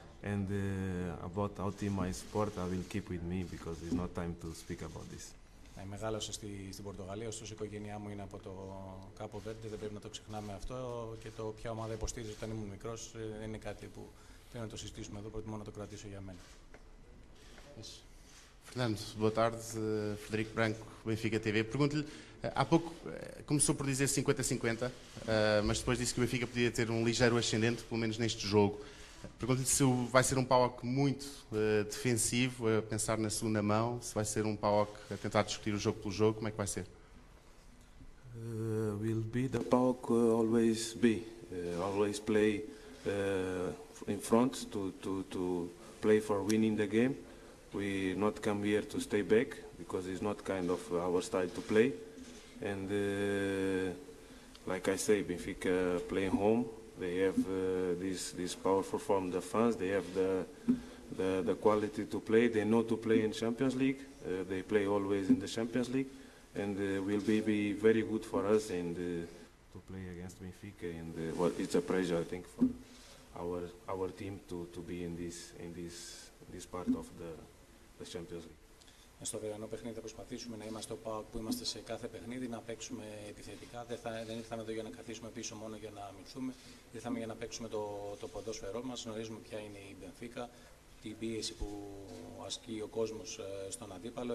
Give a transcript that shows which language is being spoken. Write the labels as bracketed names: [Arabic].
[English] And about our team, my sport, I will keep with me because it's not time to speak about this. [Greek] Μεγάλωσα στην Πορτογαλία, ωστόσο η οικογένειά μου είναι από το Κάπο Βέρντε, δεν πρέπει να το ξεχνάμε αυτό. Και το ποια ομάδα υποστήριζε όταν ήμουν μικρός δεν είναι κάτι που θέλω να το συζητήσουμε εδώ, προτιμώ να το κρατήσω για μένα. [Portuguese] Fernando, boa tarde. Frederico Branco, Benfica TV. Pergunto-lhe, há pouco começou por dizer 50-50, mas depois disse que o Benfica podia ter um ligeiro ascendente, pelo menos neste jogo. Pergunto-lhe se vai ser um PAOK muito defensivo, a pensar na segunda mão, se vai ser um PAOK a tentar discutir o jogo pelo jogo, como é que vai ser? [English] Will be the PAOK always be, always play in front to play for winning the game. We not come here to stay back because it's not kind of our style to play. And like I say, Benfica play home. They have this powerful form, the fans. They have the quality to play. They know to play in Champions League. They play always in the Champions League, and will be very good for us and to play against Benfica. And well, it's a pleasure, I think, for our team to be in this part of the Champions League. [Greek] Στο βερανό παιχνίδι θα προσπαθήσουμε να είμαστε ο ΠΑΟΚ που είμαστε σε κάθε παιχνίδι, να παίξουμε επιθετικά. Δεν ήρθαμε εδώ για να καθίσουμε πίσω μόνο για να αμυνθούμε. Ήρθαμε για να παίξουμε το ποδόσφαιρό μας. Γνωρίζουμε ποια είναι η Μπενφίκα, την πίεση που ασκεί ο κόσμος στον αντίπαλο.